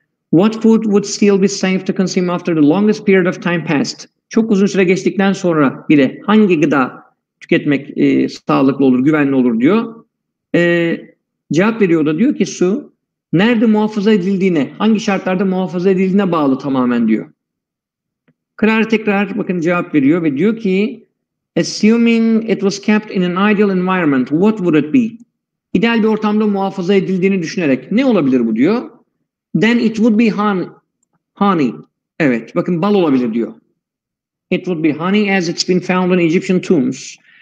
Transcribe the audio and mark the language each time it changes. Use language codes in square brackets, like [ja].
[en] What food would still be safe to consume after the longest period of time passed? [tr] Çok uzun süre geçtikten sonra bile hangi gıda tüketmek sağlıklı olur, güvenli olur diyor. Cevap veriyor da, diyor ki su nerede muhafaza edildiğine, hangi şartlarda muhafaza edildiğine bağlı tamamen diyor. Kırar tekrar bakın cevap veriyor ve diyor ki [en] assuming it was kept in an ideal environment, what would it be? [tr] İdeal bir ortamda muhafaza edildiğini düşünerek ne olabilir bu diyor. [en] Then it would be honey. [tr] Evet, bakın bal olabilir diyor. [en] It would be honey as it's been found in Egyptian tombs.